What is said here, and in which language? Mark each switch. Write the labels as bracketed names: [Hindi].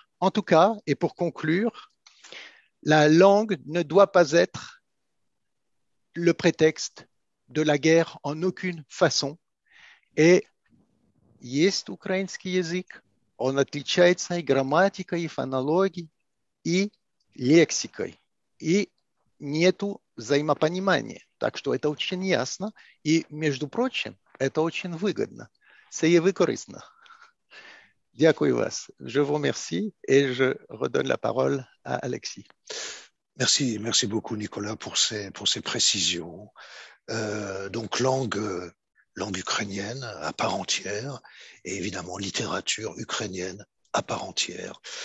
[French] En tout cas, et pour conclure, la langue ne doit pas être le prétexte de la guerre en aucune façon. [Russian] Et есть украинский язык, он отличается и грамматикой, и фонологией, и лексикой, и нету взаимопонимания. Так что это очень ясно. И, между прочим, это очень выгодно. Сие вы корыстно. Дякую вас. [French] Je vous remercie et je redonne la parole à Алексей. Merci, merci beaucoup Nicolas pour ces précisions. Donc langue ukrainienne à part entière et évidemment littérature ukrainienne à part entière.